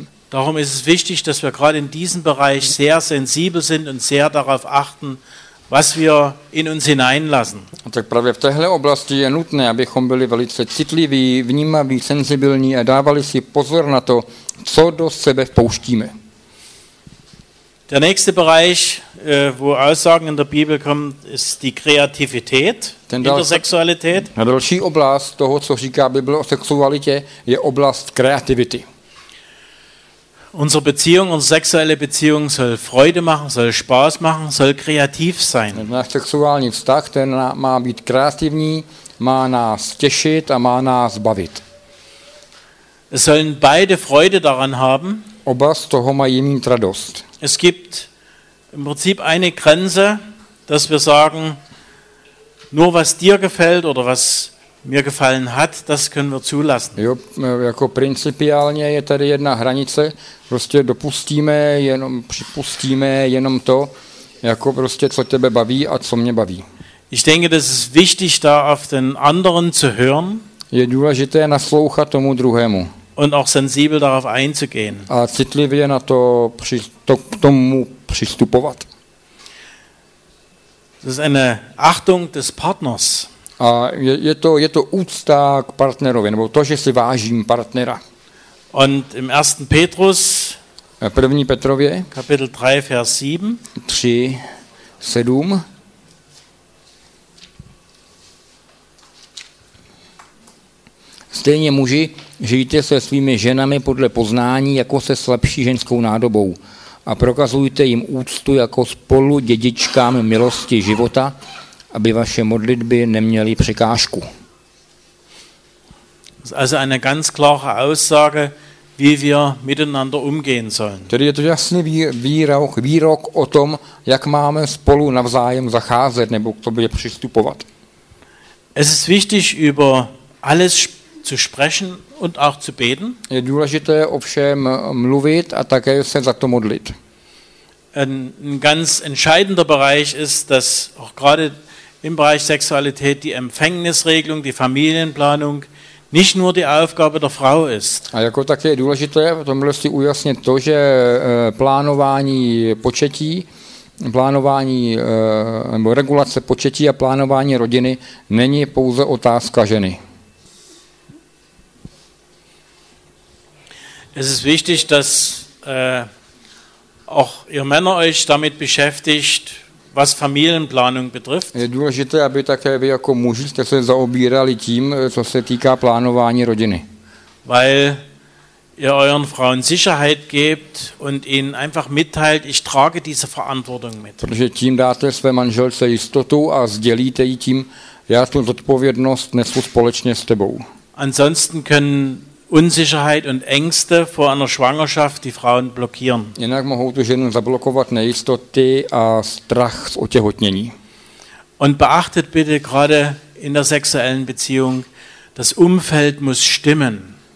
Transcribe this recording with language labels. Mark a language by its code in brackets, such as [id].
[de] Darum ist es wichtig, dass wir gerade in diesem Bereich sehr sensibel sind und sehr darauf achten, was wir in uns hineinlassen. [cs] A tak právě v téhle oblasti je nutné, abychom byli velice citliví, vnímaví, senzibilní a dávali si pozor na to, co do sebe vpouštíme. [de] Der nächste Bereich, wo Aussagen in der Bibel kommen, ist die Kreativität in der Sexualität. [cs] A další oblast toho, co říká Bible o sexualitě, je oblast kreativity. [de] Unsere Beziehung, unsere sexuelle Beziehung soll Freude machen, soll Spaß machen, soll kreativ sein. [cs] Náš sexuální vztah, ten má být kreativní, má nás těšit a má nás bavit. [de] Es sollen beide Freude daran haben. [cs] Oba z toho mají mít radost. [de] Es gibt im Prinzip eine Grenze, dass wir sagen, nur was dir gefällt oder was mir gefallen hat, das können wir zulassen. [cs] Jo, jako principiálně je tady jedna hranice, prostě připustíme jenom to, jako prostě co tebe baví a co mě baví. [de] Ich denke, das ist wichtig, da auf den anderen zu hören. [cs] Je důležité naslouchat tomu druhému. [de] Und auch sensibel darauf einzugehen. [cs] A citlivě na to, k tomu přistupovat. [de] Das ist eine Achtung des Partners. [cs] A je to úcta k partnerovi, nebo to, že si vážím partnera. [de] Und im 1. Petrus, [cs] 1. Petrově, [de] Kapitel 3, Vers 7, [cs] 3, 7, stejně muži, žijte se svými ženami podle poznání, jako se slabší ženskou nádobou. A prokazujte jim úctu jako spolu dědičkám milosti života, aby vaše modlitby neměly překážku. [de] Also eine ganz klare Aussage, wie wir miteinander umgehen sollen. [cs] Tedy je to jasný výrok o tom, jak máme spolu navzájem zacházet nebo k tobě přistupovat. [de] Es ist wichtig, über alles zu sprechen und auch zu beten. [cs] Je důležité ovšem mluvit a také se za to modlit. [de] Ein ganz entscheidender Bereich ist, dass auch gerade im Bereich Sexualität die Empfängnisregelung, die Familienplanung nicht nur die Aufgabe der Frau ist. [cs] A jako také je důležité v tomhle si ujasnit to, že plánování početí, plánování nebo regulace početí a plánování rodiny není pouze otázka ženy. [de] Es ist wichtig, dass auch ihr Männer euch damit beschäftigt, was Familienplanung betrifft. [cs] Je důležité, aby také vy jako muži jste se zaobírali tím, co se týká plánování rodiny. [de] Weil ihr euren Frauen Sicherheit gebt und ihnen einfach mitteilt, ich trage diese Verantwortung mit. [cs] Protože tím dáte své manželce jistotu a sdělíte jí tím, já tu zodpovědnost nesu společně s tebou. [de] Ansonsten können Unsicherheit und Ängste vor einer Schwangerschaft die Frauen blockieren. [cs] Jinak mohou tu ženu zablokovat nejistoty a strach z otěhotnění. [de] Und beachtet bitte gerade in der sexuellen Beziehung, das Umfeld muss stimmen.